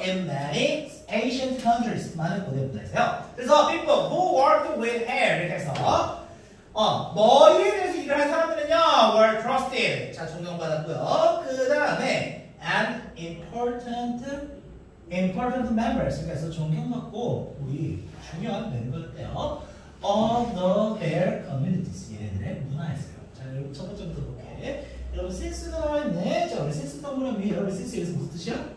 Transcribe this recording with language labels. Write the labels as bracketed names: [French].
[English] In many ancient countries. [Korean] 많은 고대 문화에서요. 그래서 [English] people who worked with hair. [Korean] 이렇게 해서 머리에 대해서 일을 한 사람들은요. [English] were trusted. [Korean] 자, 존경받았고요. 그 다음에 [English] and important members. [Korean] 이렇게 해서 존경받고 우리 중요한 멤버였대요. [English] of their communities. [Korean] 얘네들의 문화에서요. 자, 여러분 첫 번째부터 볼게. 여러분 센스가 나와있네. 자, 우리 센스 동그라미. 여러분 센스 여기서 무슨 뜻이야?